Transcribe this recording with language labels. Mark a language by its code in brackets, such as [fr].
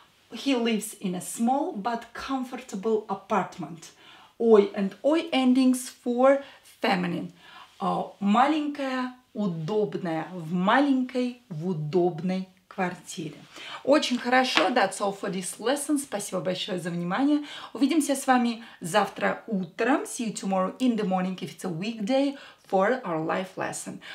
[en] He lives in a small but comfortable apartment. Ой and ой endings for feminine. [ru] Маленькая, удобная, в маленькой, в удобной квартире. Очень хорошо, [en] that's all for this lesson. [ru] Спасибо большое за внимание. Увидимся с вами завтра утром. [en] See you tomorrow in the morning if it's a weekday for our life lesson.